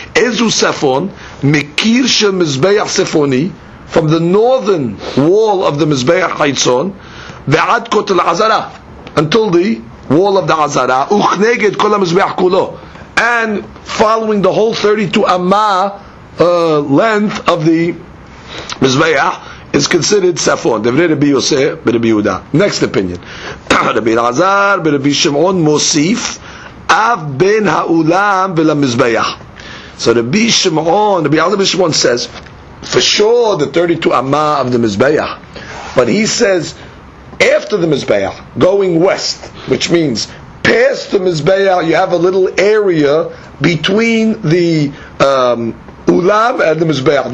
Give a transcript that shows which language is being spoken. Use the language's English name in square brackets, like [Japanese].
[Hebrew] Ezu Sefon, Mikir Shel Mizbeach Sefoni, [English] from the northern wall of the Mizbeach Haitzon, [Hebrew] ועד כותל עזרה, [English] until the wall of the עזרה, [Hebrew] וכנגד כל המזבח כולו, [English] and following the whole 32 amma length of the מזבח, is considered צפון. [Hebrew] דברי רבי יוסף ברבי יהודה. [English] Next opinion. [Hebrew] רבי אלעזר ברבי שמעון מוסיף, אף בין האולם ולמזבח. [English] So the Rabbi Shimon says, for sure the 32 Amah of the Mizbeach, but he says, after the Mizbeach, going west, which means past the Mizbeach, you have a little area between the Ulam and the Mizbeach.